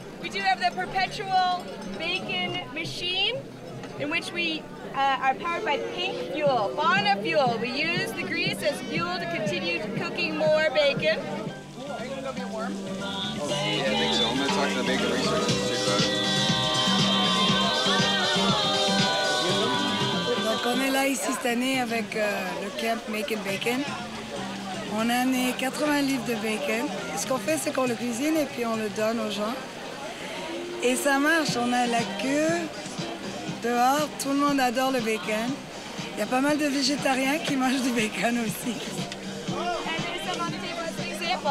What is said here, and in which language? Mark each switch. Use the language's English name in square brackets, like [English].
[English] We do have the perpetual bacon machine in which we are powered by pink fuel, fauna fuel. We use the grease as fuel to continue cooking more bacon. Are you going to go get warm? Oh, yeah, I think so. I'm going to talk to the Bacon Research Institute about it. [French] On est là ici cette année avec le camp Making Bacon. On a amené 80 livres de bacon. Ce qu'on fait, c'est qu'on le cuisine et puis on le donne aux gens. Et ça marche, on a la queue dehors. Tout le monde adore le bacon. Il y a pas mal de végétariens qui mangent du bacon aussi. [English] And there's some on the table as an example.